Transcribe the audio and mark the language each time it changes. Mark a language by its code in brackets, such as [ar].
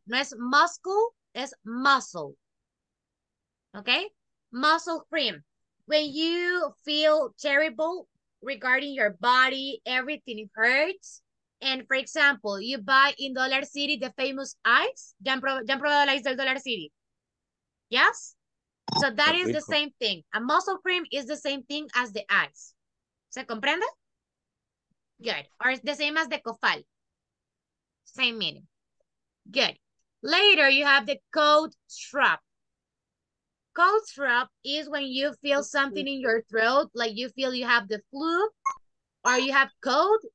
[es] No es muscle, es muscle. Okay? Muscle cream. [en] When you feel terrible regarding your body, everything hurts. And for example, you buy in Dollar City the famous ice. [es] ¿Ya han probado el ice del Dollar City? [en] Yes? So that is the same thing. A muscle cream is the same thing as the ice. [es] ¿Se comprende? [en] Good. Or it's the same as the cofal. Same meaning. Good. Later, you have the cold shrub. Cold shrub is when you feel something in your throat, like you feel you have the flu or you have cold.